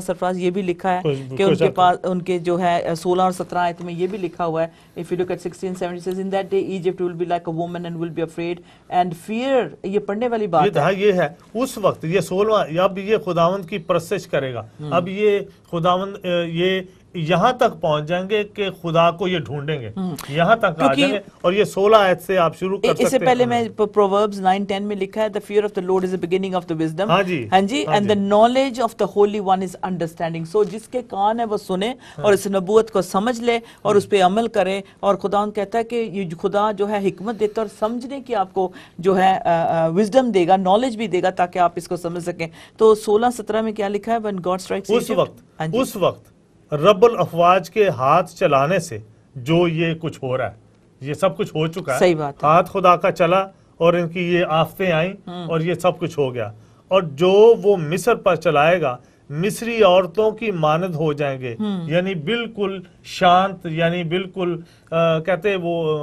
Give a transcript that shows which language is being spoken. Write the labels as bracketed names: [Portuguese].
[Urdu] سرفراز یہ بھی لکھا ہے کہ ان کے پاس ان کے جو ہے 16 اور 17 آیت میں یہ بھی لکھا ہوا ہے, [English] If you look at 16:17 in that day Egypt will be like a woman and will be afraid and fear. [Urdu] یہ پڑھنے والی بات ہے, یہ ہے اس وقت, یہ 16 اب یہ خداوند کی پرسش کرے گا. اب یہ خداوند یہ یہاں تک پہنچ جائیں گے کہ خدا کو یہ ڈھونڈیں گے, یہاں تک آ جائیں گے. اور یہ 16 آیت سے آپ شروع کر سکتے ہیں. اس سے پہلے میں پرووربز 9:10 میں لکھا ہے, [English] the fear of the Lord is the beginning of the wisdom. [Urdu] ہاں جی, ہاں جی, [English] and the knowledge of the Holy One is understanding. [Urdu] So جس کے کان ہے وہ سنے اور اس نبوت کو سمجھ لے اور اس پہ عمل کرے. اور خدا کہتا ہے کہ یہ خدا جو ہے حکمت دیتا اور سمجھنے کی آپ کو جو ہے وزڈم دے گا, نالج بھی دے گا تاکہ آپ اس کو سمجھ سکیں. تو 16:17 میں کیا لکھا ہے, [English] when God strikes [Urdu] اس وقت, اس وقت رب الافواج کے ہاتھ چلانے سے, جو یہ کچھ ہو رہا ہے یہ سب کچھ ہو چکا ہے, ہاتھ خدا کا چلا اور ان کی یہ آفتیں آئیں اور یہ سب کچھ ہو گیا, اور جو وہ مصر پر چلائے گا مصری عورتوں کی مانند ہو جائیں گے, یعنی بالکل شانت, یعنی بالکل کہتے وہ